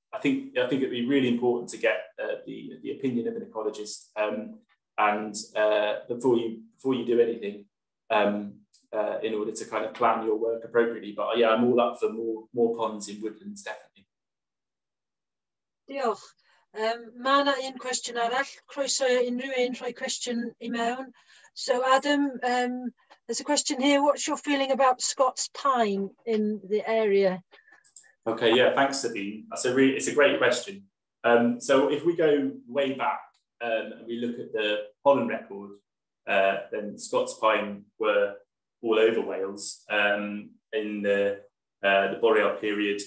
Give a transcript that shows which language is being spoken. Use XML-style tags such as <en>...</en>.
<en>I think it'd be really important to get the opinion of an ecologist before you do anything in order to kind of plan your work appropriately. But yeah, I'm all up for more ponds in woodlands, definitely.</en> <cy>Diolch. Mae yna un cwestiwn arall. Croeso unrhyw un rhoi cwestiwn i mewn.</cy> <en>So Adam, there's a question here. What's your feeling about Scots pine in the area? Okay, yeah, thanks, Sabine. That's a really, it's a great question. So if we go way back and we look at the pollen record, then Scots pine were all over Wales in the boreal period.</en>